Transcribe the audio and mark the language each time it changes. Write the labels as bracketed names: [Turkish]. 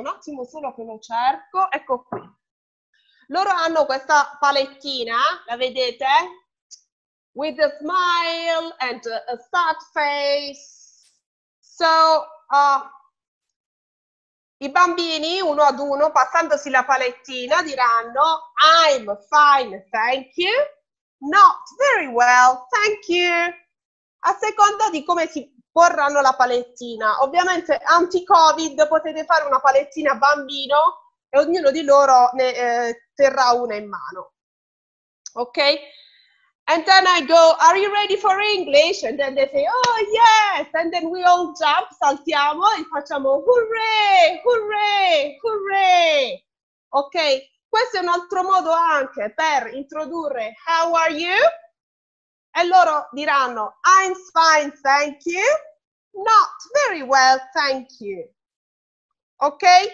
[Italian] Un attimo solo che lo cerco. Ecco qui. Loro hanno questa palettina, la vedete? [English] With a smile and a sad face. [Italian] So, i bambini, uno ad uno, passandosi la palettina, diranno [English] I'm fine, thank you. Not very well, thank you. [Italian] A seconda di come si porranno la palettina. Ovviamente, anti-Covid, potete fare una palettina bambino e ognuno di loro ne terrà una in mano. Ok? [English] And then I go, are you ready for English? And then they say, oh yes! And then we all jump, [Italian] saltiamo e facciamo [English] hooray, hooray, hooray! Ok? [Italian] Questo è un altro modo anche per introdurre [English] how are you? [Italian] E loro diranno, [English] I'm fine, thank you. [Italian] Not very well, thank you. Ok?